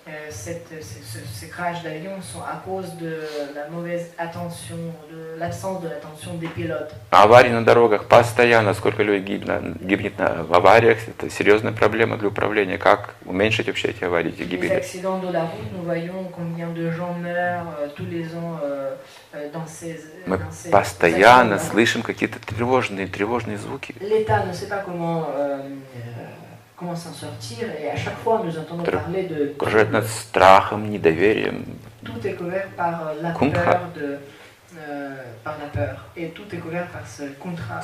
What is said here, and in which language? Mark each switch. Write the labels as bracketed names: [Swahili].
[French] Ces crashs d'avions sont à cause de la mauvaise attention, de l'absence de l'attention des pilotes. [Russian] Аварии на дорогах постоянно, сколько людей гибнет в авариях, это серьезная проблема для управления. Как уменьшить вообще эти аварии, эти гибели? [French] Les accidents de la route, nous voyons combien de gens meurent tous les ans dans ces. [Russian] Мы постоянно слышим какие-то тревожные звуки. [French] L'État ne sait pas comment s'en sortir, et à chaque fois nous entendons parler de [Russian] кружит над страхом, недоверием. [French] Tout est couvert par la kundha. Peur de par la peur, et tout est couvert par ce kundha.